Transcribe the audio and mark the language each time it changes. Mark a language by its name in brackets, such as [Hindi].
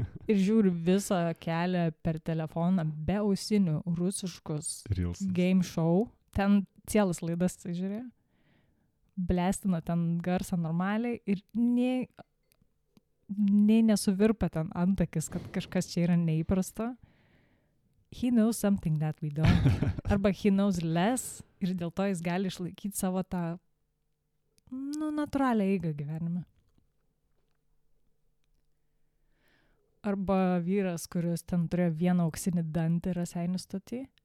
[Lithuanian] Ir žiūri visą kelią per telefoną be ausinių rusiškus Reelsus. [English] Game show. [Lithuanian] Ten cielas laidas, tai žiūri. Blestina ten garsą normaliai ir nei nesuvirpa ten antakis, kad kažkas čia yra neįprasta. [English] He knows something that we don't. [Lithuanian] Arba [English] he knows less [Lithuanian] ir dėl to jis gali išlaikyti savo tą natūralią eigą gyvenime. Arba vyras, kuris ten turėjo vieną auksinį dantį Raseinių stotį.